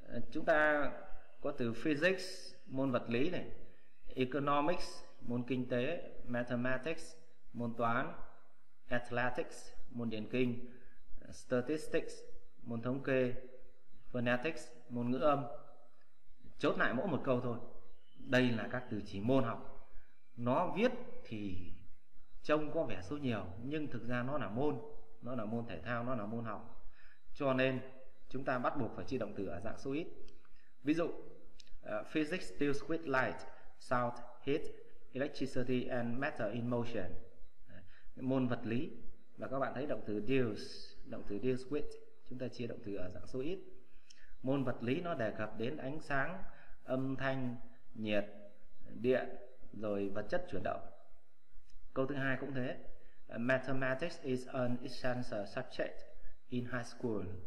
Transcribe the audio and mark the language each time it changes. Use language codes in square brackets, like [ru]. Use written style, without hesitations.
[vi] Chúng ta có từ physics, môn vật lý này, economics, môn kinh tế, mathematics, môn toán, athletics, môn điền kinh, statistics, môn thống kê, phonetics, môn ngữ âm. Chốt lại mỗi một câu thôi, đây là các từ chỉ môn học. Nó viết thì trông có vẻ số nhiều, nhưng thực ra nó là môn, nó là môn thể thao, nó là môn học. Cho nên chúng ta bắt buộc phải chia động từ ở dạng số ít. Ví dụ [en] physics deals with light, sound, heat, electricity and matter in motion. [vi] Môn vật lý. Và các bạn thấy động từ deals, động từ deals with, chúng ta chia động từ ở dạng số ít. Môn vật lý nó đề cập đến ánh sáng, âm thanh, nhiệt, điện, rồi vật chất chuyển động. Câu thứ hai cũng thế. [en] Mathematics is an essential subject in high school.